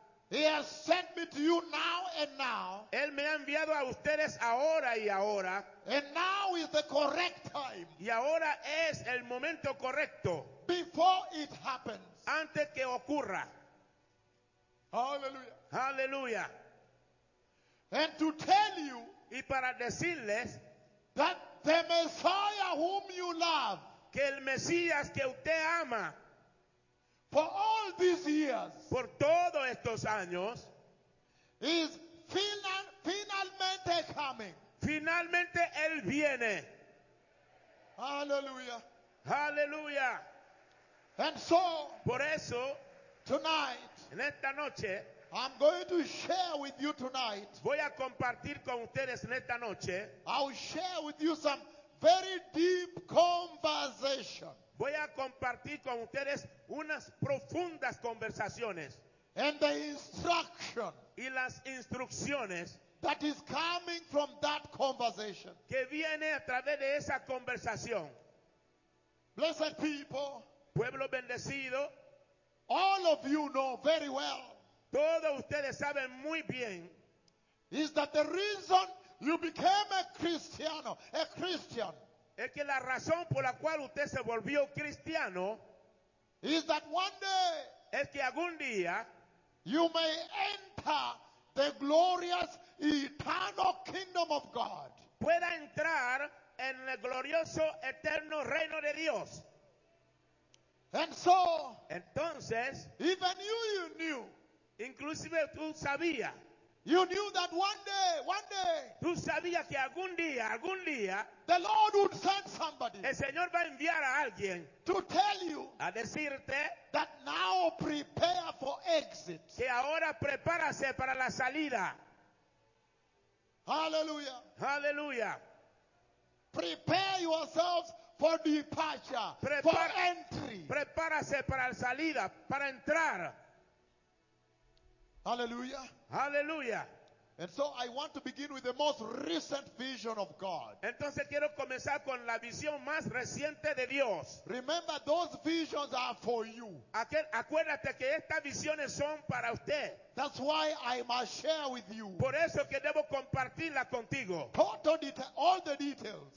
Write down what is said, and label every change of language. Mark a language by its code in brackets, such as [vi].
[en] he has sent me to you now and now. [es] Él me ha enviado a ustedes ahora y ahora. [en] And now is the correct time. [es] Y ahora es el momento correcto. [en] Before it happens. [es] Antes que ocurra. Hallelujah. Hallelujah. [en] And to tell you, [es] y para decirles, [en] that the Messiah whom you love, [es] que el Mesías que usted ama, [en] for all these years, [es] por todos estos años, [en] is finalmente coming. [es] Finalmente él viene. Hallelujah. Hallelujah. [en] And so, [es] por eso, [en] tonight, [es] en esta noche, [en] I'm going to share with you tonight. [es] Voy a compartir con ustedes en esta noche. [en] I'll share with you some very deep conversation. [es] Voy a compartir con ustedes unas profundas conversaciones. [en] And the instruction, [es] y las instrucciones, [en] that is coming from that conversation, [es] que viene a través de esa conversación. [en] Blessed people, [es] pueblo bendecido, [en] all of you know very well, [es] todos ustedes saben muy bien, [en] is that the reason you became a cristiano, a Christian, [es] es que la razón por la cual usted se volvió cristiano, [en] is that one day, [es] es que algún día, [en] you may enter the glorious eternal kingdom of God, [es] pueda entrar en el glorioso eterno reino de Dios. [en] And so, [es] entonces, [en] even you knew, [es] inclusive tú sabías, [en] you knew that one day, [es] tú sabías que algún día, [en] the Lord would send somebody, [es] el Señor va a enviar a alguien, [en] to tell you, [es] a decirte, [en] that now prepare for exit, [es] que ahora prepárase para la salida. Hallelujah. Hallelujah. [en] Prepare yourselves for departure, for entry. [es] Prepárase para la salida, para entrar. Hallelujah. Hallelujah. [en] And so I want to begin with the most recent vision of God. [es] Entonces quiero comenzar con la visión más reciente de Dios. [en] Remember, those visions are for you. [es] Acuérdate que estas visiones son para usted. [en] That's why I must share with you. [es] Por eso que debo compartirla contigo. [en] All the details.